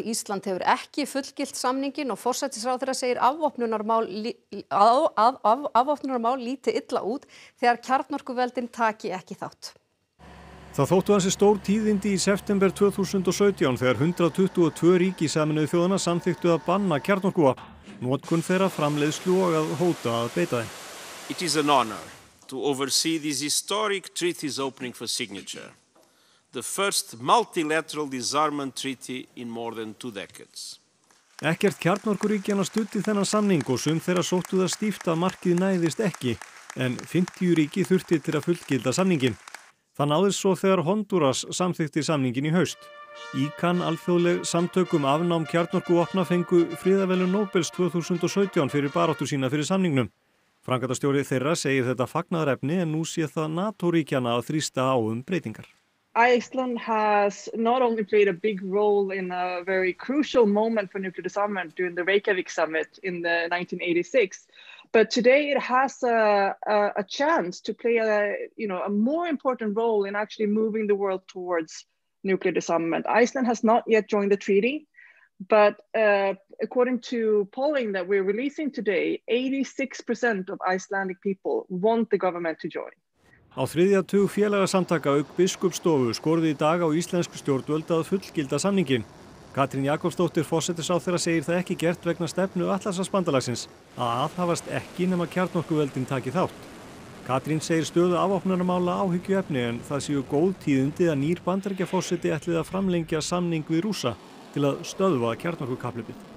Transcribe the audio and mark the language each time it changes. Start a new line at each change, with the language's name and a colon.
Icelandic: Ísland hefur ekki fullgilt samninginn og forsætisráðherra segir afvopnunarmál líti illa út þegar kjarnorkuveldin taki ekki þátt. Það þóttu hans stór tíðindi í september 2017 þegar 122 ríki Sameinuðu þjóðanna samþykktu að banna kjarnorkuvopn. Notkun þeirra framleiðslu og að hóta að beita þeim.
English: It is an honor to oversee this historic treaty's opening for signature. The first multilateral disarmament treaty in more than two decades.
Icelandic: Ekkert kjarnorkuríkjanna studdi þennan samning og sum þeirra sóttu það stíft að markið næðist ekki, en 50 ríki þurfti til að fullgilda samninginn. Það náðist svo þegar Honduras samþykkti samninginn í haust. ICAN, alþjóðleg samtök um afnám kjarnorkuvopna, fengu friðarverðlaun Nobels 2017 fyrir baráttu sína fyrir samningnum. Framkvæmdastjóri þeirra segir þetta fagnaðarefni en nú sé það NATO-ríkjanna að þrýsta á breytingar.
English: Iceland has not only played a big role in a very crucial moment for nuclear disarmament during the Reykjavik summit in the 1986, but today it has a chance to play a more important role in actually moving the world towards nuclear disarmament. Iceland has not yet joined the treaty, But according to polling that we're releasing today, 86% of Icelandic people want the government to join.
Icelandic: Á þriðja tug félagasamtaka auk biskupsstofu skoruði í dag á íslensk stjórnvöld að fullgilda samninginn. Katrín Jakobsdóttir forsætisráðherra segir það ekki gert vegna stefnu Atlantshafsbandalagsins að aðhafast ekki nema kjarnorkuveldin taki þátt. Katrín segir stöðu afvopnunarmála áhyggjuefni en það séu góð tíðindi að nýr Bandaríkjaforseti ætli að framlengja samning við Rússa til að stöðva kjarnorkukapphlaupið.